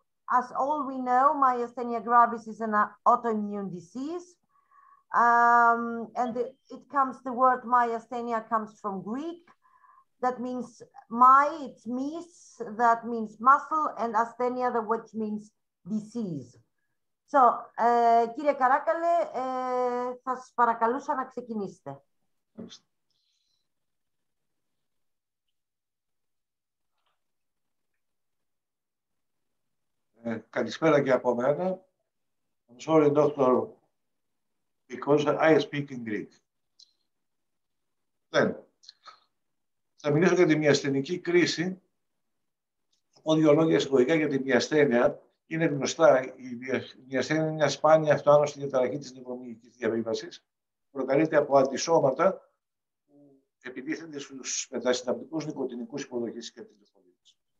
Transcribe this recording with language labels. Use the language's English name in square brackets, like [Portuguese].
[English] As all we know, myasthenia gravis is an autoimmune disease. The word myasthenia comes from Greek, that means my, it's mis, that means muscle, and asthenia, which means disease. [Greek] So, κύριε Καράκαλε, θα σας παρακαλούσα να ξεκινήσετε. Καλησπέρα και από μένα. [English] I'm sorry, doctor, because I speak in Greek. [Greek] Then, θα μιλήσω για τη μυασθενική κρίση. Από δύο λόγια εισαγωγικά για τη μυασθένεια. Είναι γνωστά, η μυασθένεια είναι μια σπάνια αυτοάνωστη διαταραχή της νευρολογικής διαβίβασης. Προκαλείται από αντισώματα που επιτίθενται στους μετασυναπτικούς νικοτινικούς υποδοχής και την νευρολογική.